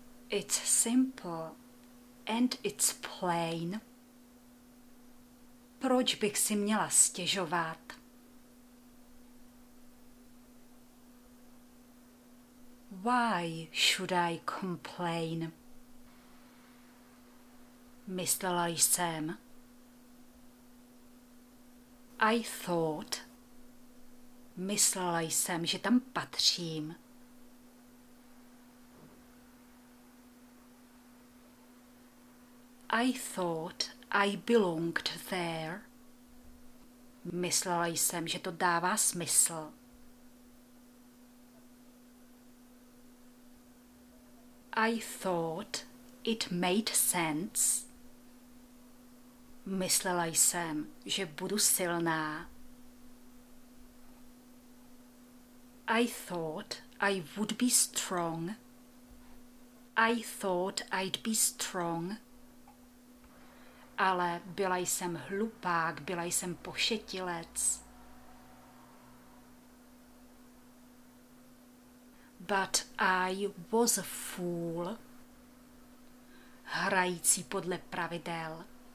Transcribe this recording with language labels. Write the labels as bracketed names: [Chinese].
[English] It's simple and it's plain. [Czech] Proč bych si měla stěžovat? [English] Why should I complain? [Czech] Myslela jsem. [English] I thought. [Czech] Myslela jsem, že tam patřím. [English] I thought I belonged there. [Czech] Myslela jsem, že to dává smysl. [English] I thought it made sense. [Czech] Myslela jsem, že budu silná. [English] I thought I would be strong. I thought I'd be strong. [Czech] Ale byla jsem hlupák, byla jsem pošetilec. [English] But I was a fool. [Czech] Hrající podle pravidel.